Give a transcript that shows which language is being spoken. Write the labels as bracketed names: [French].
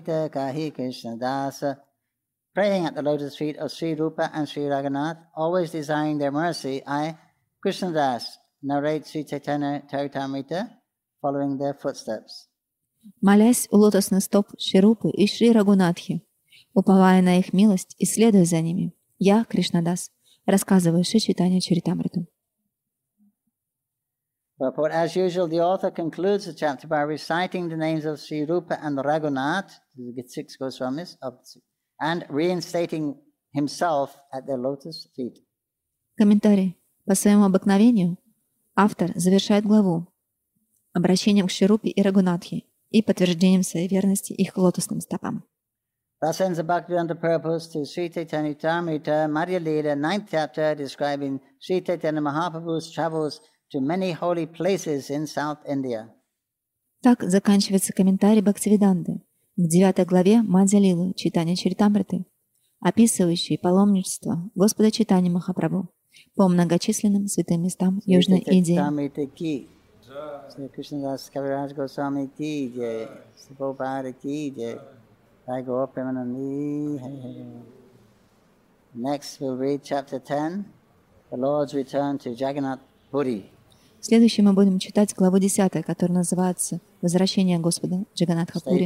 [English] Praying at the lotus feet of Sri Rupa and Sri Raghunath, always desiring their mercy, I, Krishnadas, narrate Sri Chaitanya Charitamrita, following their footsteps. [Russian] Молясь у лотосных стоп Шри Рупы и Шри Рагунатхи, уповая на их милость и следуя за ними, я, Кришнадас, рассказываю Шри Чайтанья Чаритамриту. [English] But as usual, the author concludes the chapter by reciting the names of Sri Rupa and Raghunath, the six Goswamis, and reinstating himself at their lotus feet. [Russian] Комментарий. По своему обыкновению, автор завершает главу обращением к Шри Рупе и Рагунатхе и подтверждением своей верности их лотосным стопам. [English] Thus ends the Bhaktivedanta Purport to Sri Chaitanya Charitamrita, Madhya Lila, 9th chapter, describing Sri Chaitanya Mahaprabhu's travels to many holy places in South India. [Russian] Так заканчивается комментарий Бхактивиданты к 9 главе Мадья Лилы Чайтанья Чаритамриты, описывающий паломничество Господа Чайтаньи Махапрабху по многочисленным святым местам Южной Индии. [English] I go up in the next we'll read chapter 10, the Lord's return to Jagannath Puri. [Russian] Следующий мы будем читать главу 10, которая называется Возвращение Господа Джаганнатха Пури.